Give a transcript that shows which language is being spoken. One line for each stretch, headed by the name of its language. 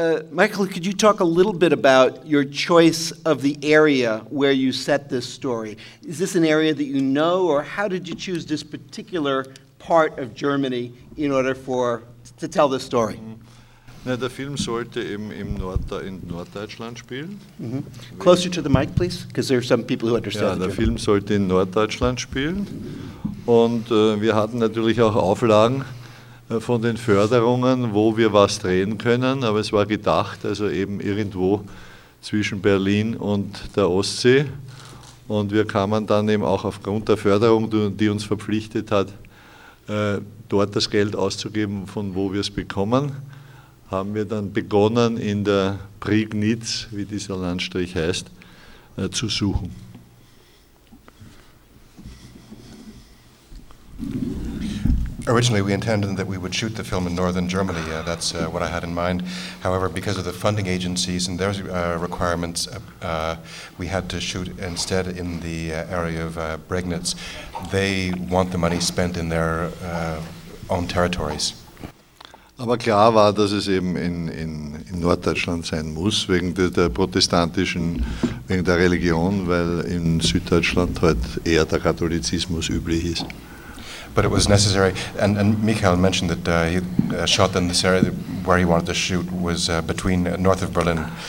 English: Michael, could you talk a little bit about your choice of the area where you set this story? Is this an area that you know, or how did you choose this particular part of Germany in order to tell this story? Mm-hmm.
German: Na, der Film sollte in Norddeutschland spielen. Mm-hmm.
English: Closer to the mic, please, because there are some people who understand.
German: Ja, der Film sollte in Norddeutschland spielen. Und wir hatten natürlich auch Auflagen von den Förderungen, wo wir was drehen können. Aber es war gedacht, also eben irgendwo zwischen Berlin und der Ostsee. Und wir kamen dann eben auch aufgrund der Förderung, die uns verpflichtet hat, dort das Geld auszugeben, von wo wir es bekommen, haben wir dann begonnen, in der Prignitz, wie dieser Landstrich heißt, zu suchen.
English: Originally, we intended that we would shoot the film in northern Germany. That's what I had in mind. However, because of the funding agencies and their requirements, we had to shoot instead in the area of Bregenz. They want the money spent in their own territories.
German: Aber klar war, dass es eben in Norddeutschland sein muss, wegen der protestantischen, wegen der Religion, weil in Süddeutschland halt eher der Katholizismus üblich ist.
English: But it was necessary, and Michael mentioned that he shot in this area where he wanted to shoot was between north of Berlin.